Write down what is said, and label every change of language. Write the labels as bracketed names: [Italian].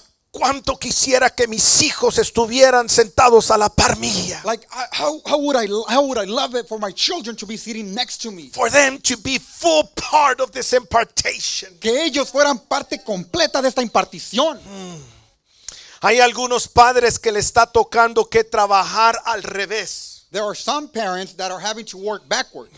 [Spanish] Cuánto quisiera que mis hijos estuvieran sentados a la par mía. [English] Like how would I love it for my children to be sitting next to me. For them to be full part of this impartation. [Spanish] Que ellos fueran parte completa de esta impartición. Hay algunos padres que le está tocando que trabajar al revés. [English] There are some parents that are having to work backwards.